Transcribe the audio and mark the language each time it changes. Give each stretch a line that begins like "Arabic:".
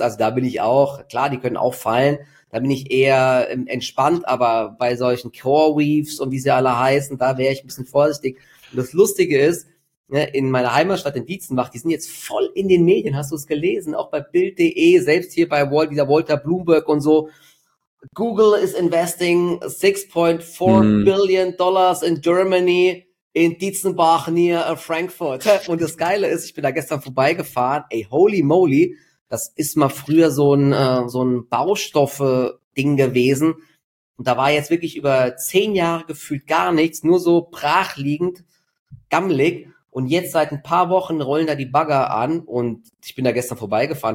German: Also da bin ich auch, klar, die können auch fallen. Da bin ich eher entspannt, aber bei solchen CoreWeaves und wie sie alle heißen, da wäre ich ein bisschen vorsichtig. Und das Lustige ist, ne, in meiner Heimatstadt in Dietzenbach, die sind jetzt voll in den Medien, hast du es gelesen? Auch bei Bild.de, selbst hier bei Walter Bloomberg und so.
English: Google is investing $6.4 billion in Germany. In Dietzenbach near Frankfurt.
German: Und das Geile ist, ich bin da gestern vorbeigefahren. Ey,
English: holy moly,
German: das ist mal früher so ein Baustoffe-Ding gewesen. Und da war jetzt wirklich über 10 Jahre gefühlt gar nichts, nur so brachliegend, gammelig. Und jetzt seit ein paar Wochen rollen da die Bagger an. Und ich bin da gestern vorbeigefahren.